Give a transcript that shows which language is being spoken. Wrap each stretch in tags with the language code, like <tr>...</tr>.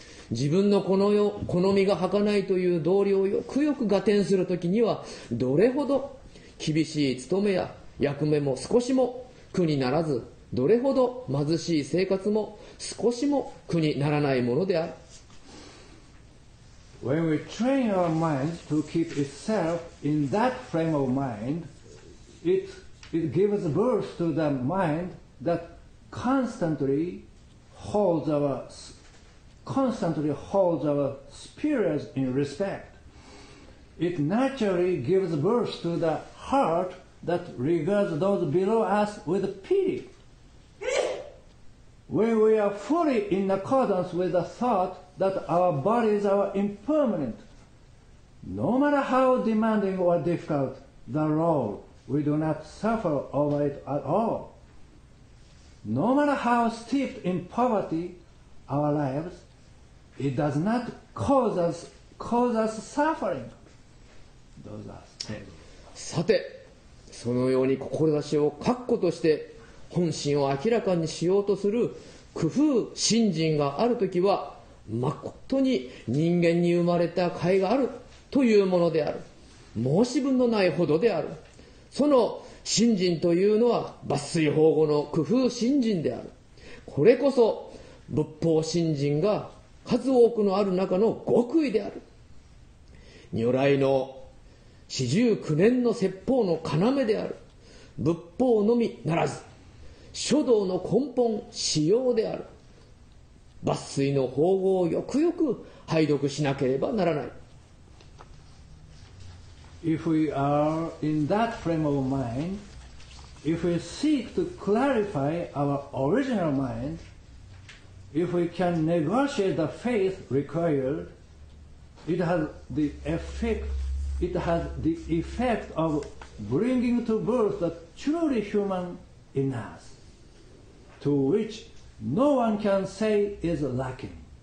<ja>自分のこの世好みが儚いという道理をよくよく合点するときには、どれほど厳しい務めや役目も少しも苦にならず、どれほど貧しい生活も少しも苦にならないものである。</ja> <en>When we train our mind to keep itself in that frame of mind, it gives birth to the mindthat constantly holds our spirits in respect. It naturally gives birth to the heart that regards those below us with pity. When we are fully in accordance with the thought that our bodies are impermanent, no matter how demanding or difficult the role, we do not suffer over it at all. No matter how steeped in poverty our lives, it does not cause us suffering. Those are...</en> <ja>さて、そのように志を確固として本心を明らかにしようとする工夫信心があるときは、まことに人間に生まれた甲斐があるというものである。申し分のないほどである。その信心というのは抜粋法語の工夫信心である。これこそ仏法信心が数多くのある中の極意である。如来の四十九年の説法の要である。仏法のみならず書道の根本仕様である。抜粋の法語をよくよく拝読しなければならない。</ja> <en>If we are in that frame of mind, if we seek to clarify our original mind, if we can negotiate the faith required, it has the effect of bringing to birth the truly human in us, to which no one can say is lacking.</en>